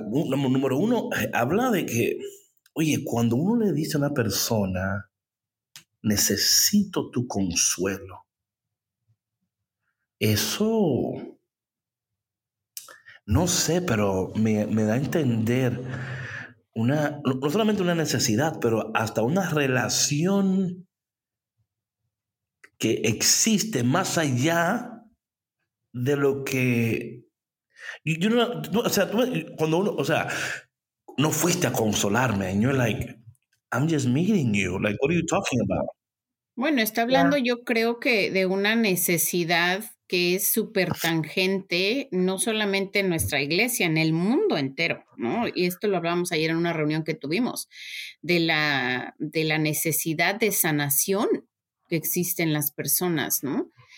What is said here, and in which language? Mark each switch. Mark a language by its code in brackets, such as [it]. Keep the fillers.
[es] Número uno, habla de que oye, cuando uno le dice a una persona, necesito tu consuelo, eso, no sé, pero me, me da a entender una, no solamente una necesidad, pero hasta una relación que existe más allá de lo que... Yo no, no, o sea, cuando uno, o sea, no fuiste a consolarme. [en] And you're like, I'm just meeting you. Like, what are you talking about? [es] Bueno, está hablando [en] yeah. [es] yo creo que de una necesidad que es súper tangente, no solamente en nuestra iglesia, en el mundo entero, ¿no? Y esto lo hablábamos ayer en una reunión que tuvimos, de la, de la necesidad de sanación que existe en las personas, ¿no?